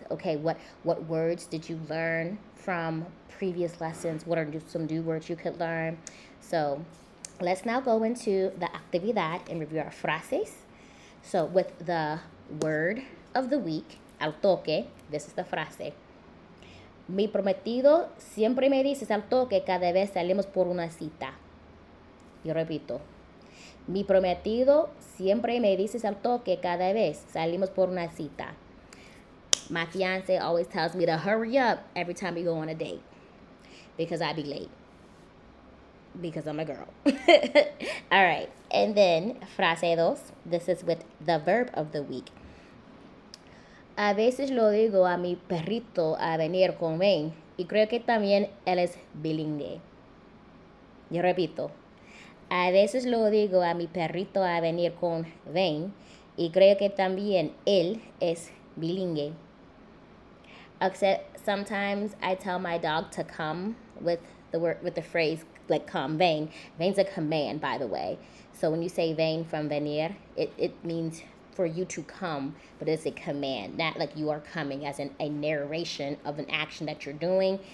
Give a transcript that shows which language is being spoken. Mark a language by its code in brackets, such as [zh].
[en] Okay, what words did you learn from previous lessons? What are some new words you could learn? So let's now go into the actividad and review our frases. So with the word of the week, al toque, this is the frase. [es] Mi prometido siempre me dice al toque cada vez salimos por una cita. Yo repito. Mi prometido siempre me dice al toque cada vez salimos por una cita. [en] My fiance always tells me to hurry up every time we go on a date. Because I be late. Because I'm a girl. All right. And then, [es] frase dos. [en] This is with the verb of the week. [es] A veces lo digo a mi perrito a venir conmigo y creo que también él es bilingüe. Yo repito. A veces lo digo a mi perrito a venir conmigo y creo que también él es bilingüe. [en] Except sometimes I tell my dog to come with the word, with the phrase like come, venir. Venir's a command, by the way. So when you say venir from venir, it means for you to come, but it's a command, not like you are coming as in a narration of an action that you're doing.